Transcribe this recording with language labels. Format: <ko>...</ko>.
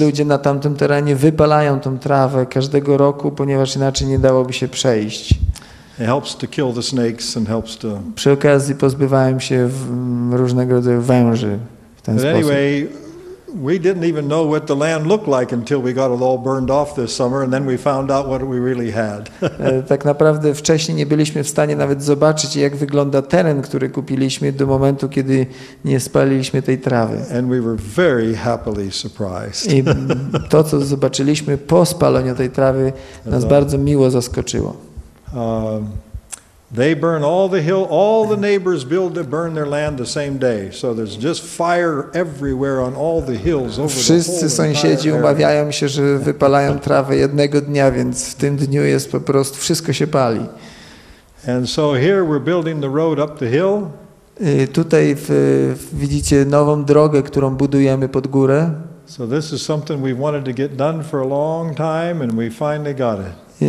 <pl>Ludzie na tamtym terenie wypalają tą trawę każdego roku, ponieważ inaczej nie dałoby się przejść.</pl> <en>It helps to kill the snakes and helps to.</en> <pl>Przy okazji pozbywają się różnego rodzaju węży.</pl> <en>But anyway, we didn't even know what the land looked like until we got it all burned off this summer, and then we found out what we really had.</en> <pl>Tak naprawdę wcześniej nie byliśmy w stanie nawet zobaczyć, jak wygląda teren, który kupiliśmy do momentu, kiedy nie spaliliśmy tej trawy.</pl> <en>And we were very happily surprised.</en> <pl>I to, co zobaczyliśmy po spaleniu tej trawy, nas bardzo miło zaskoczyło.</pl> <en>They burn all the hill, all the neighbors build to burn their land the same day. So there's just fire everywhere on all the hills over.</en> <pl>Wszyscy sąsiedzi umawiają się, że wypalają trawę jednego dnia, więc w tym dniu jest po prostu wszystko się pali.</pl> <en>And so here we're building the road up the hill.</en> <pl>Tutaj widzicie nową drogę, którą budujemy pod górę.</pl> <en>So this is something we wanted to get done for a long time and we finally got it.</en>